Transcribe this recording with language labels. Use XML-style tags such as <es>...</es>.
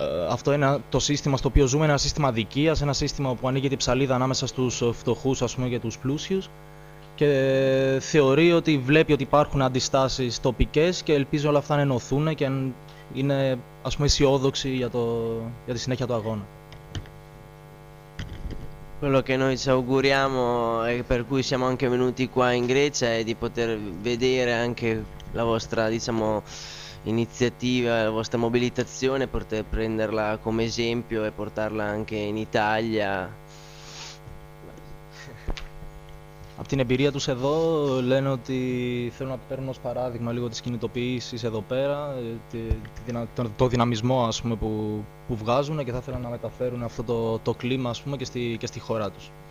<el>αυτό είναι το σύστημα στο οποίο ζούμε, ένα σύστημα αδικίας, ένα σύστημα που ανοίγει την ψαλίδα ανάμεσα στους φτωχούς, ας πούμε, και τους πλούσιους, και θεωρεί ότι βλέπει ότι υπάρχουν αντιστάσεις τοπικές και ελπίζει όλα αυτά να ενωθούν και είναι, ας πούμε, αισιόδοξοι για τη συνέχεια του αγώνα.</el> <it>Quello che noi ci auguriamo e per cui siamo anche venuti qua in Grecia è di poter vedere anche la vostra, diciamo, iniziativa, la vostra mobilitazione, poter prenderla come esempio e portarla anche in Italia.</it> <el>Από την εμπειρία τους εδώ λένε ότι θέλουν να παίρνουν ως παράδειγμα λίγο της κινητοποίησης εδώ πέρα, το δυναμισμό, ας πούμε, που βγάζουν, και θα ήθελαν να μεταφέρουν αυτό το κλίμα, ας πούμε, και στη χώρα τους.</el>